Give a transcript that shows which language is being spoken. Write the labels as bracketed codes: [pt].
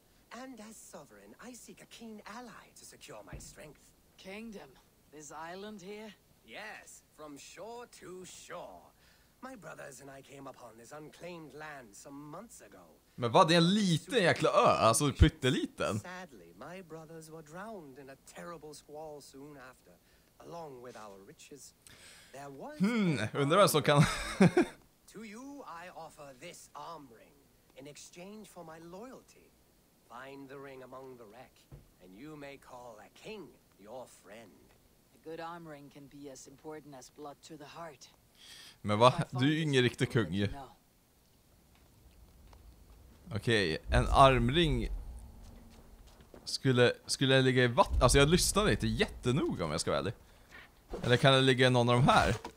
[en] And as sovereign, I seek a keen ally to secure my strength. Kingdom? This island here? Yes, from shore to shore. My brothers and I came upon this unclaimed land some months ago. [sv] Men vad, det är en liten jäkla ö, alltså pytteliten. [en] Sadly, my brothers were drowned in a terrible squall soon after, along with our riches. There was... [sv] undrar vem som kan... [en] To you, I offer this arm ring in exchange for my loyalty. Find the ring among the wreck, and you may call a king your friend. A good arm ring can be as important as blood to the heart. [sv] Men va? Du är ju ingen riktig kung ju. Okej, en armring skulle jag ligga i vatten? Alltså jag lyssnade inte jättenoga om jag ska vara ärlig. Eller kan det ligga i någon av de här?